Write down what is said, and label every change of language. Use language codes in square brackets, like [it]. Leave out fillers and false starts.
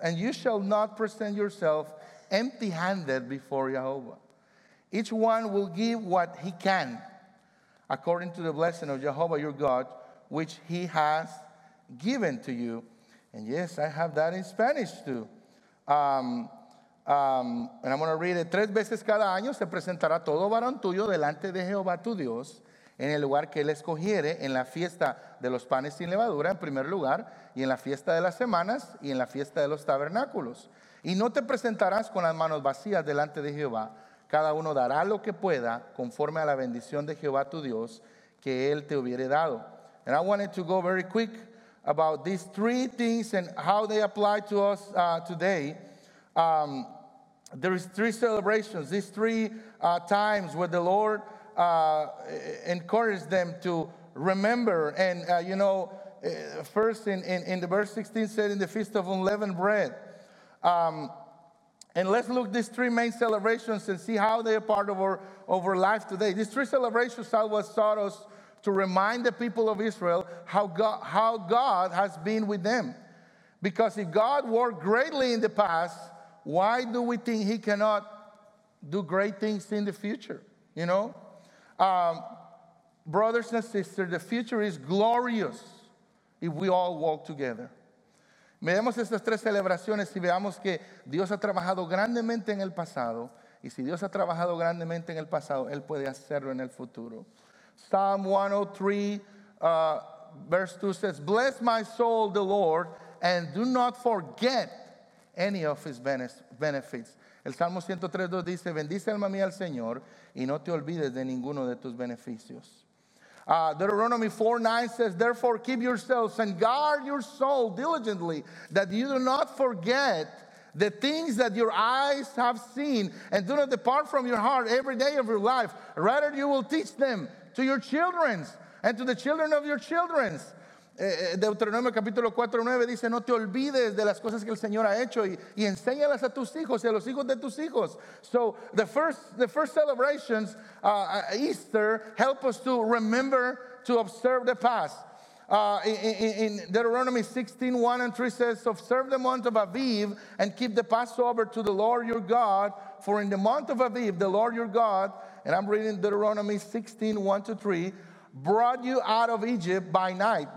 [en] And you shall not present yourself empty-handed before Jehovah. Each one will give what he can, according to the blessing of Jehovah, your God, which he has given to you. And yes, I have that in Spanish too. And I'm going to read it. [es] Tres veces cada año se presentará todo varón tuyo delante de Jehová tu Dios en el lugar que él escogiere, en la fiesta de los panes sin levadura en primer lugar, y en la fiesta de las semanas, y en la fiesta de los tabernáculos. Y no te presentarás con las manos vacías delante de Jehová. Cada uno dará lo que pueda conforme a la bendición de Jehová tu Dios que él te hubiere dado. [en] And I wanted to go very quick about these three things and how they apply to us today. There is three celebrations, these three times where the Lord encouraged them to remember. And you know, first in the verse 16 said, in the Feast of Unleavened Bread. And let's look at these three main celebrations and see how they are part of our life today. These three celebrations are what taught us to remind the people of Israel how God has been with them. Because if God worked greatly in the past, why do we think he cannot do great things in the future? You know? Brothers and sisters, the future is glorious if we all walk together. [es] Miremos estas tres celebraciones y veamos que Dios ha trabajado grandemente en el pasado. Y si Dios ha trabajado grandemente en el pasado, Él puede hacerlo en el futuro. [en] Psalm 103, verse 2 says, "Bless my soul, the Lord, and do not forget any of His benefits." [es] El Salmo 103:2 dice, "Bendice alma mía al Señor y no te olvides de ninguno de tus beneficios." [en] Deuteronomy 4:9 says, "Therefore keep yourselves and guard your soul diligently, that you do not forget the things that your eyes have seen, and do not depart from your heart every day of your life. Rather, you will teach them to your children and to the children of your children." [es] Deuteronomio capítulo 4:9 dice, "No te olvides de las cosas que el Señor ha hecho y enséñalas a tus hijos y a los hijos de tus hijos." [en] So the first celebrations, Easter, help us to remember to observe the past. In Deuteronomy 16:1-3 says, "Observe the month of Aviv and keep the Passover to the Lord your God. For in the month of Aviv, the Lord your God," and I'm reading Deuteronomy 16:1-3, "brought you out of Egypt by night."